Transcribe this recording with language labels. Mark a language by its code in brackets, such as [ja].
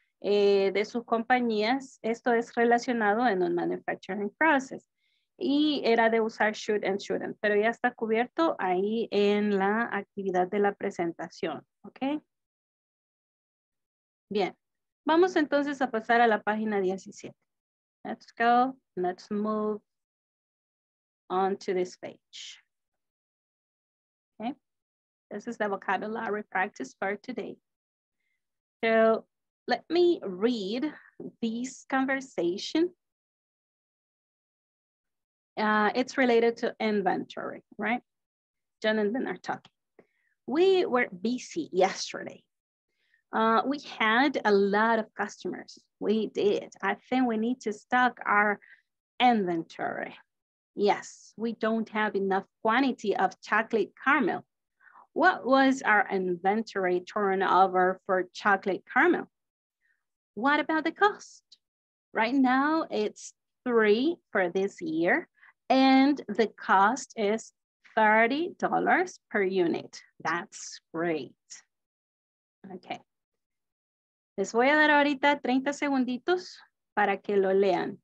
[es] De sus compañías. Esto es relacionado en un manufacturing process. Y era de usar should and shouldn't, pero ya está cubierto ahí en la actividad de la presentación, ¿ok? Bien, vamos entonces a pasar a la página 17. [en] Let's go, let's move on to this page. Okay. This is the vocabulary practice for today. So let me read this conversation. It's related to inventory, right? John and Ben are talking. We were busy yesterday. We had a lot of customers. We did. I think we need to stock our inventory. Yes, we don't have enough quantity of chocolate caramel. What was our inventory turnover for chocolate caramel? What about the cost? Right now it's 3 for this year and the cost is $30 per unit. That's great. Okay. [es] Les voy a dar ahorita 30 segunditos para que lo lean.